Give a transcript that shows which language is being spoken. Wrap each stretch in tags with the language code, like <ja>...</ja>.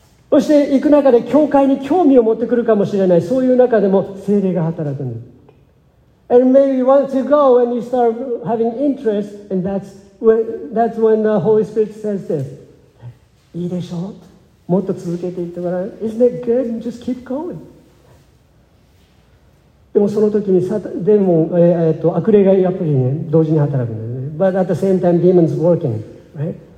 <ja>そして行く中で教会に興味を持ってくるかもしれない。そういう中でも聖霊が働くんです。</ja> <en>And maybe once you go and you start having interest, and that's when the Holy Spirit says this.</en> <ja>いいでしょう。もっと続けていってごらん。</ja> <en>Isn't it good? Just keep going.</en> <ja>でもその時にデーモン、悪霊がやっぱりね、同時に働くんだよね。</ja> <en>But at the same time, demons working, right?</en>